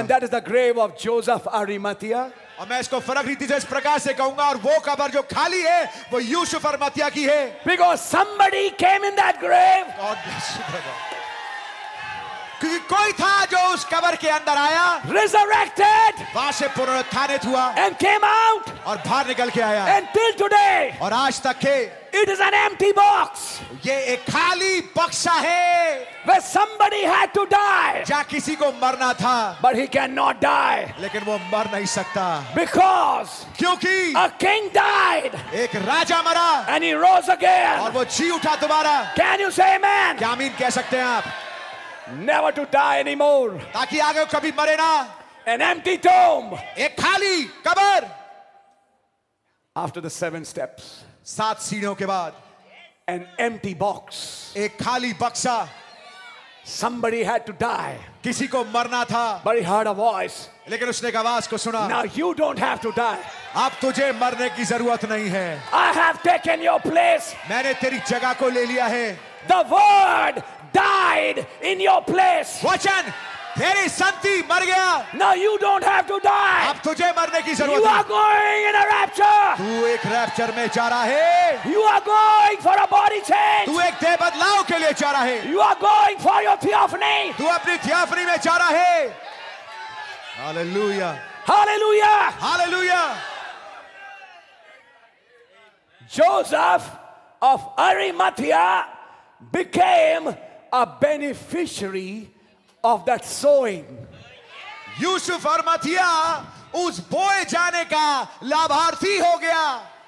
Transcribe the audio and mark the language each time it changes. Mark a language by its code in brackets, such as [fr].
[en] And that is the grave of Joseph Arimathea [hi] और मैं इसको फर्क रीति से इस प्रकार से कहूंगा और वो कब्र जो खाली है वो यूसुफ अरिमथिया की है [en] Because somebody came in that grave God bless you brother [hi] क्योंकि कोई था जो उस कब्र के अंदर आया [en] resurrected [hi] वहां से पुनरुत्थानित हुआ [en] and came out [hi] और बाहर निकल के आया [en] and till today [hi] और आज तक है [en] It is an empty box. [hi] ये एक खाली बक्सा है. [en] Where somebody had to die. [hi] जहाँ किसी को मरना था. [en] But he cannot die. [hi] लेकिन वो मर नहीं सकता. [en] Because. [hi] क्योंकि. [en] A king died. [hi] एक राजा मरा. [en] And he rose again. [hi] और वो जी उठा दोबारा. [en] Can you say amen? [hi] क्या आमीन कह सकते हैं आप? [en] Never to die anymore. [hi] ताकि आगे कभी मरे ना. [en] An empty tomb. [hi] एक खाली कब्र. [en] After the seven steps. [hi] सात सीढ़ियों के बाद [en] an empty box [hi] एक खाली बक्सा [en] Somebody had to die. [hi] किसी को मरना था [en] But he heard a voice. [hi] लेकिन उसने एक आवाज को सुना [en] Now you don't have to die. [hi] आप तुझे मरने की जरूरत नहीं है [en] I have taken your place. [hi] मैंने तेरी जगह को ले लिया है [en] The word died in your place. [hi] वचन तेरी संति मर गया [en] Now you don't have to die. [hi] अब तुझे मरने की जरूरत [en] You are going in a rapture. [hi] तू एक रैप्चर में जा रहा है [en] You are going for a body change. [hi] तू एक देह बदलाव के लिए जा रहा है [en] You are going for your theophany. [hi] तू अपनी थियोफनी में जा रहा है Hallelujah. [en] Hallelujah. Hallelujah. Joseph of Arimathea became a beneficiary of that sowing [hi] Yusuf Arimathea us boye jane ka labharthi ho gaya